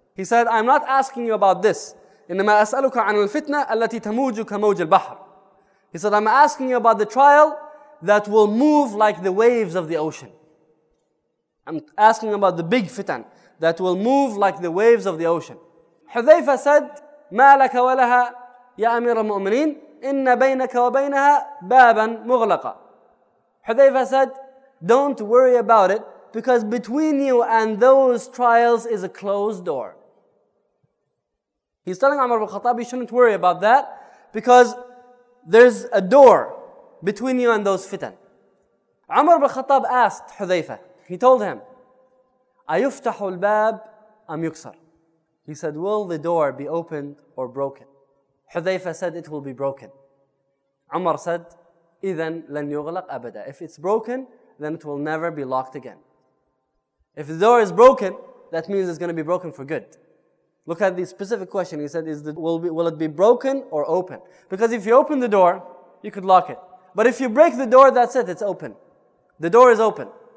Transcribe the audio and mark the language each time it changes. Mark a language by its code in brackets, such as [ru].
[en] He said, I'm not asking you about this. [ar] إِنَّمَا أَسْأَلُكَ عَنَ الْفِتْنَةِ أَلَّتِي تَمُوجُ كَمَوْجِ الْبَحْرِ. [en] He said, I'm asking you about the trial that will move like the waves of the ocean. I'm asking about the big fitan that will move like the waves of the ocean. Hudhayfa said, [ar] مَا لَكَ وَلَهَا يَا أَمِيرَ الْمُؤْمِنِينَ إِنَّ بَيْنَكَ وَبَيْنَهَا بَابًا مُغْلَقًا. [en] Hudhayfa said, don't worry about it because between you and those trials is a closed door. He's telling Umar ibn Khattab, you shouldn't worry about that because there's a door between you and those fitan. Umar ibn Khattab asked Hudhayfa, he told him, [ar] أَيُفْتَحُ الْبَابِ أَمْ يُكْسَرُ. [en] He said, will the door be opened or broken? Hudhayfa said, it will be broken. Umar said, [ar] إِذَنْ لَنْ يُغْلَقْ أَبَدًا. [en] If it's broken, then it will never be locked again. If the door is broken, that means it's going to be broken for good. Look at the specific question. He said, will it be broken or open? Because if you open the door, you could lock it. But if you break the door, that's it, it's open. The door is open.